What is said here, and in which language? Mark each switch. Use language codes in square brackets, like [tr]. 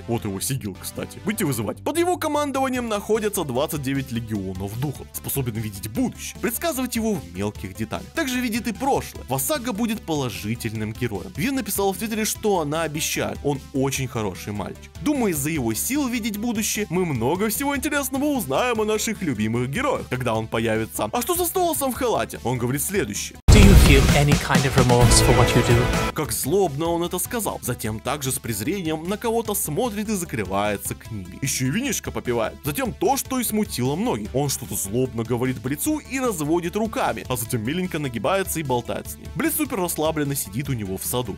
[ru] Вот его сигил, кстати. Будьте вызывать. Под его командованием находятся 29 легионов духов, способен видеть будущее, предсказывать его в мелких деталях. Также видит и прошлое. Васага будет положительным героем. Вивьен написала в Твиттере, что она обещает. Он очень хороший мальчик. Думаю, из-за его сил видеть будущее, мы много всего интересного узнаем о наших любимых героях, когда он появится. А что со Столосом в халате? Он говорит следующее. [en] Any kind of remorse for what you do? [ru] Как злобно он это сказал. Затем также с презрением на кого-то смотрит и закрывается книгой. Еще и винишко попивает. Затем то, что и смутило многих. Он что-то злобно говорит Блицу и разводит руками. А затем миленько нагибается и болтает с ним. Блиц супер расслабленно сидит у него в саду.